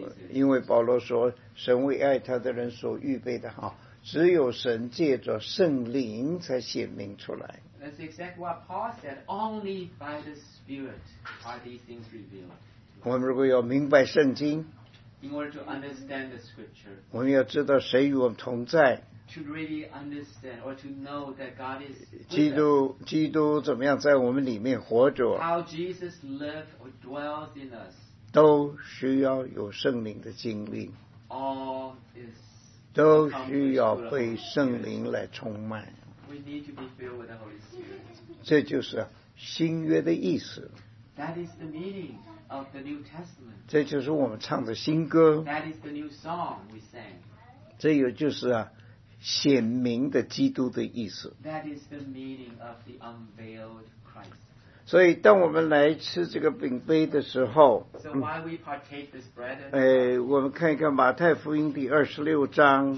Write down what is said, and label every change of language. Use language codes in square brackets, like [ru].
[zh] 因为保罗说，神为爱他的人所预备的只有神借着圣灵才显明出来。 [en] That's exactly what Paul said. Only by the Spirit are these things revealed. [zh] 我们如果要明白圣经， [en] in order to understand the Scripture, [zh] 我们要知道谁与我们同在。 [en] To really understand or to know that God is with us. [zh] 基督怎么样在我们里面活着？ [en] How Jesus lives or dwells in us. [zh] 都需要有圣灵的经历。 [en] All is. [zh] 都需要被圣灵来充满。 [en] We need to be filled with the Holy Spirit. [zh] 这就是新约的意思。 [en] That is the meaning of the New Testament. [zh] 这就是我们唱的新歌。 [en] That is the new song we sang. [zh] 这也就是显明的基督的意思。 [en] That is the meaning of the unveiled Christ. [zh] 所以当我们来吃这个饼杯的时候， [en] So while we partake this bread, [zh] 我们看一看马太福音第26章。